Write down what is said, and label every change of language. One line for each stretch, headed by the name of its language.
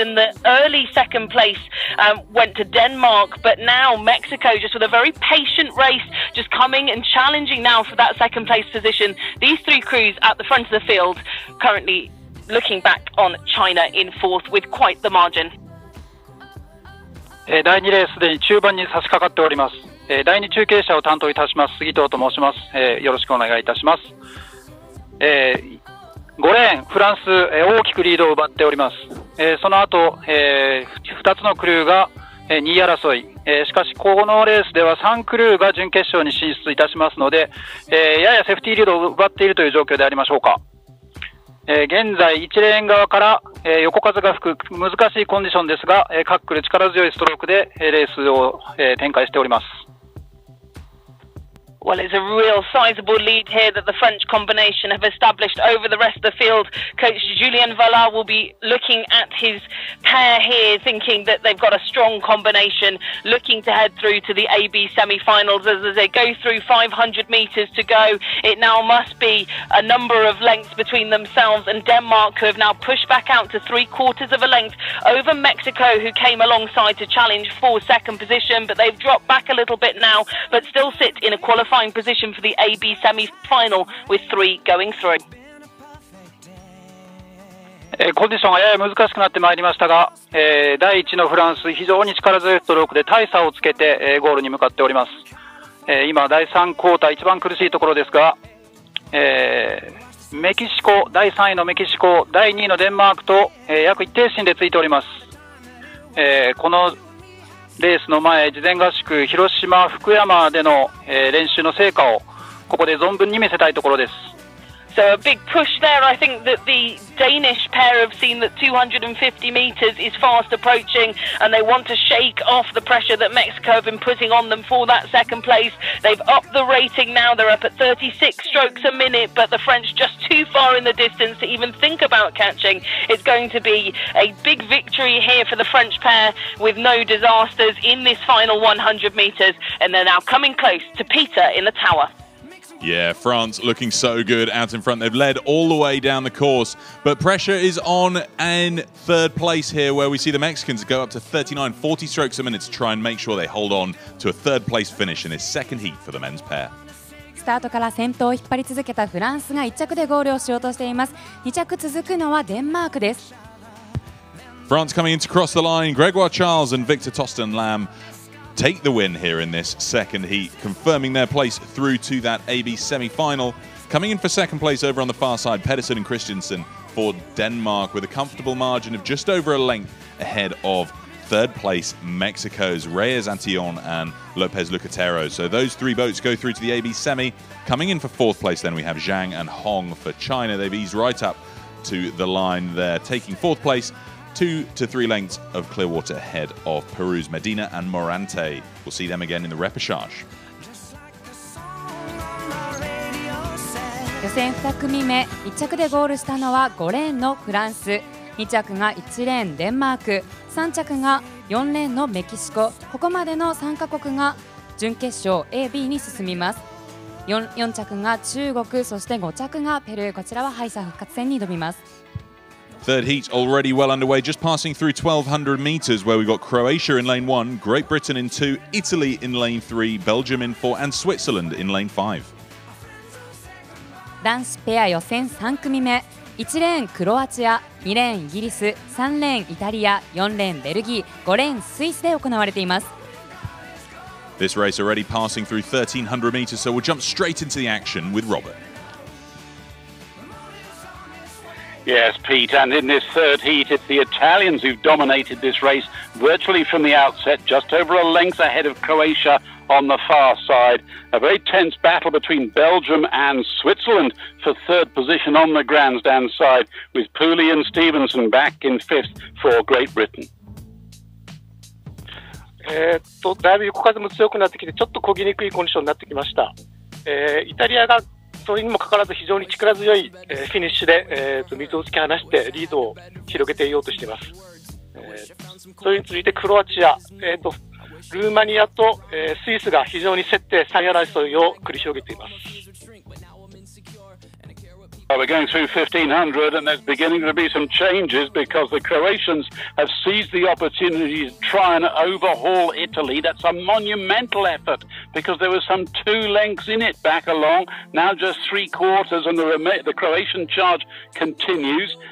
English: And the early second place went to Denmark. But now Mexico, just with a very patient race, just coming and challenging now for that second place position. These three crews at the front of the field currently looking back on China in fourth with quite the margin.
Japanese: 第2レースすでに中盤に差し掛かっております。第2中継車を担当いたします杉藤と申します。よろしくお願いいたします。5レーンフランス、大きくリードを奪っております。その後、2つのクルーが2位争い、しかしこのレースでは3クルーが準決勝に進出いたしますので、ややセーフティーリードを奪っているという状況でありましょうか。現在1レーン側から、横風が吹く難しいコンディションですが、各クルー力強いストロークで、レースを、展開しております。
English: Well, it's a real sizable lead here that the French combination have established over the rest of the field. Coach Julien Vallard will be looking at his pair here, thinking that they've got a strong combination, looking to head through to the AB semi-finals. As they go through 500 metres to go, it now must be a number of lengths between themselves and Denmark, who have now pushed back out to three quarters of a length over Mexico, who came alongside to challenge for second position. But they've dropped back a little bit now, but still sit in a qualifying. Fine position for the AB semi-final with three going through.
Japanese: コンディションがやや難しくなってまいりましたが、第一のフランス非常に力強いストロークで大差をつけて、ゴールに向かっております。今第三クォーター一番苦しいところですが、メキシコ第3位のメキシコ第2位のデンマークと、約一定身でついております。このレースの前、事前合宿、広島、福山での、練習の成果をここで存分に見せたいところです。
English: So a big push there. I think that the Danish pair have seen that 250 meters is fast approaching and they want to shake off the pressure that Mexico have been putting on them for that second place. They've upped the rating now. They're up at 36 strokes a minute, but the French just too far in the distance to even think about catching. It's going to be a big victory here for the French pair with no disasters in this final 100 meters. And they're now coming close to Peter in the tower. Yeah, France looking so good out in front. They've led all the way down the course, but pressure is on in third place here, where we see the Mexicans go up to 39, 40 strokes a minute to try and make sure they hold on to a third place finish in this second heat for the men's pair.
Japanese: スタートから先頭を引っ張り続けたフランスが1着でゴールをしようとしています。 2着続くのはデンマークです。
English: France coming in to cross the line. Grégoire Charles and Victor Tosten Lam take the win here in this second heat, confirming their place through to that AB semi-final. Coming in for second place over on the far side, Pedersen and Christensen for Denmark with a comfortable margin of just over a length ahead of third place Mexico's Reyes Antillon and Lopez Lucatero. So those three boats go through to the AB semi. Coming in for fourth place then we have Zhang and Hong for China. They've eased right up to the line there, taking fourth place. 2 to 3 lengths of Clearwater ahead of Peru's Medina and Morante. We'll see them again in the repechage.
Japanese: 予選2組目、1着でゴールしたのは5レーンのフランス、2着が1レーンデンマーク、3着が4レーンのメキシコ。ここまでの3カ国が準決勝 AB に進みます。 4着が中国、そして5着がペルー。こちらは敗者復活戦に挑みます。
English: Third heat already well underway, just passing through 1200 meters, where we've got Croatia in lane 1, Great Britain in 2, Italy in lane 3, Belgium in 4, and Switzerland in lane 5.
Japanese: 男子ペア予選3組目、1レーンクロアチア、2レーンイギリス、3レーンイタリア、4レーンベルギー、5レーンスイスで行われています。
English: This race already passing through 1300 meters, so we'll jump straight into the action with Robert. Yes, Pete, and in this third heat, it's the Italians who've dominated this race virtually from the outset, just over a length ahead of Croatia on the far side. A very tense battle between Belgium and Switzerland for third position on the grandstand side, with Pooley and Stevenson back in fifth for Great Britain.
Japanese: だいぶ横風も強くなってきて、ちょっと漕ぎにくいコンディションになってきました。イタリアがそれにもかかわらず非常に力強いフィニッシュで水を突き放してリードを広げていようとしています。それに続いてクロアチア、ルーマニアとスイスが非常に競って3位争いを繰り広げています。
English: We're going through 1500 and there's beginning to be some changes because the Croatians have seized the opportunity to try and overhaul Italy. That's a monumental effort because there were some two lengths in it back along. Now just three quarters and the Croatian charge continues.